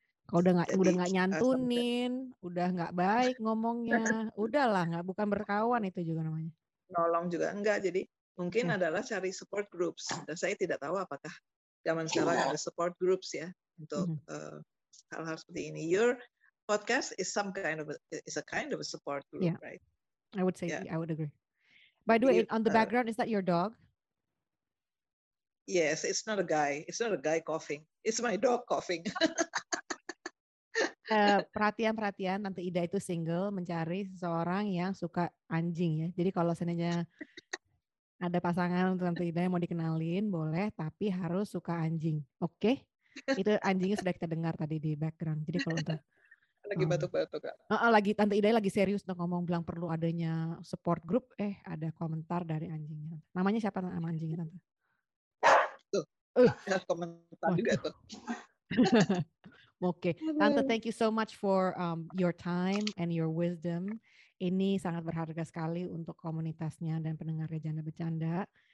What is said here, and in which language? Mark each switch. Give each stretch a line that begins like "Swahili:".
Indonesian: Kalau udah nggak nyantunin, udah nggak baik ngomongnya, udahlah, nggak bukan berkawan itu juga namanya. Nolong juga enggak, jadi mungkin adalah cari support groups. Dan saya tidak tahu apakah zaman sekarang ada support groups ya untuk hal-hal seperti ini.
English: Your podcast is some kind of a support group, right? I would say I would agree. By the way, on the background, is that your dog? Yes, it's not a guy. It's not a guy coughing. It's my dog coughing.
Indonesian: Perhatian-perhatian, Tante Ida itu single, mencari seseorang yang suka anjing ya. Jadi kalau seandainya ada pasangan untuk Tante Ida yang mau dikenalin, boleh, tapi harus suka anjing. Oke? Okay? Itu anjingnya sudah kita dengar tadi di background. Jadi kalau untuk lagi batuk-batuk, Kak. Lagi Tante Ida lagi serius untuk ngomong, bilang perlu adanya support group, ada komentar dari anjingnya. Namanya siapa nama anjingnya, Tante? Tuh, komentar juga tuh.
English: Okay. Tante, thank you so much for your time and your wisdom.
Indonesian: Ini sangat berharga sekali untuk komunitasnya dan pendengar Rejanda Bercanda.